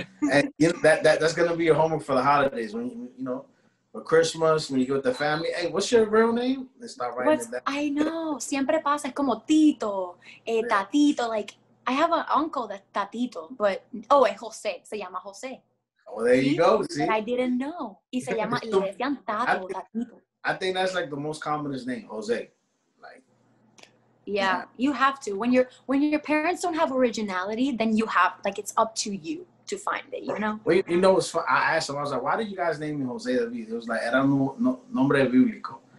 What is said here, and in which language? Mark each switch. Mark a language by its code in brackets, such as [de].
[en] And you know, that's going to be your homework for the holidays when, you know. Christmas, when you go with the family, hey, what's your real name? It's not writing it down. [es] I know. Siempre pasa. Es como Tito, Tatito. [en] Like, I have an uncle that's Tatito, but, [es] oh, es José. Se llama José. [en] Oh, there you go. See? But I didn't know. [es] Y se llama, y le decían Tato, Tatito. [en] I think that's, like, the most commonest name, Jose. Like. Yeah, you have to. When your parents don't have originality, then you have, like, it's up to you to find it, you know? Well, you know, it's fun. I asked him, I was like, why did you guys name me Jose David? It was like, [es] era no nombre bíblico.